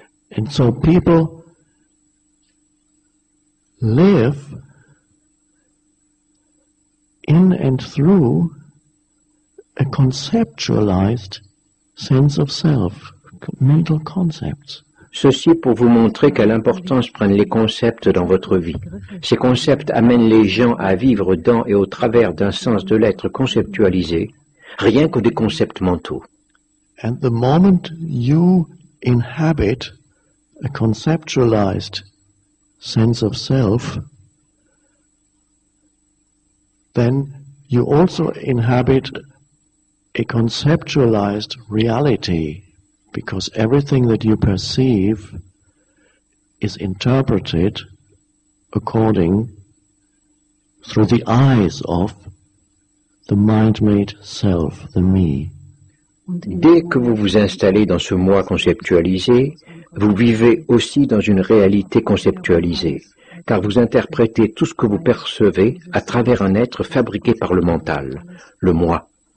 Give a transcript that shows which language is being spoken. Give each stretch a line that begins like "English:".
English: And so people live in and through a conceptualized sense of self, mental concepts.
French: Ceci pour vous montrer quelle importance prennent les concepts dans votre vie. Ces concepts amènent les gens à vivre dans et au travers d'un sens de l'être conceptualisé, rien que des concepts mentaux.
English: And the moment you inhabit a conceptualized sense of self, then you also inhabit a conceptualized reality, because everything that you perceive is interpreted according through the eyes of the mind-made self, the me.
French: Dès que vous vous installez dans ce moi conceptualisé, vous vivez aussi dans une réalité conceptualisée, car vous interprétez tout ce que vous percevez à travers un être fabriqué par le mental, le moi.